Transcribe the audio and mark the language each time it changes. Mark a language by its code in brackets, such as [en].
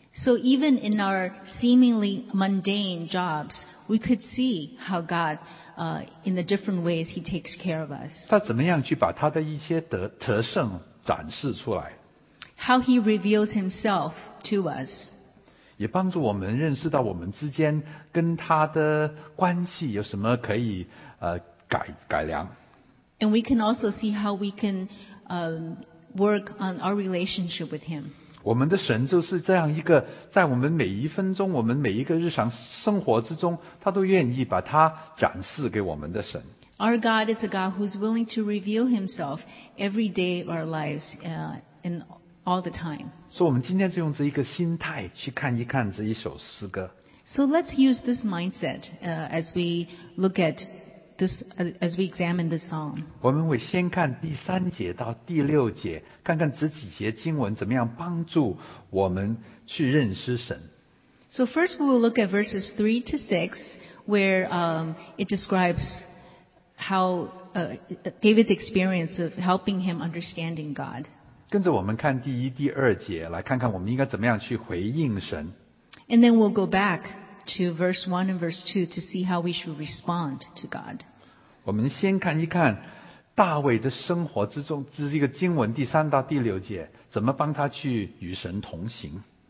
[en] So even in our seemingly mundane jobs, we could see how God, in the different ways he takes care of us. [zh] 他怎么样去把他的一些特胜展示出来。 [en] How he reveals himself to us. [zh] 也帮助我们认识到我们之间跟他的关系有什么可以改良。 [en] And we can also see how we can work on our relationship with him. [zh] 我们的神就是这样一个，在我们每一分钟，我们每一个日常生活之中，他都愿意把他展示给我们的神。 [en] Our God is a God who's willing to reveal himself every day of our lives, and all the time. [zh] 所以我们今天就用这一个心态去看一看这一首诗歌。 [en] So let's use this mindset, as we look at this, as we examine this psalm. [zh] 我们会先看第三节到第六节，看看这几节经文怎么样帮助我们去认识神。 [en] So first we will look at verses 3-6, where it describes how David's experience of helping him understanding God. [zh] 跟着我们看第一、第二节，来看看我们应该怎么样去回应神。 [en] And then we'll go back to verse 1 and verse 2 to see how we should respond to God. [zh] 我们先看一看大卫的生活之中，这是一个经文第三到第六节，怎么帮他去与神同行。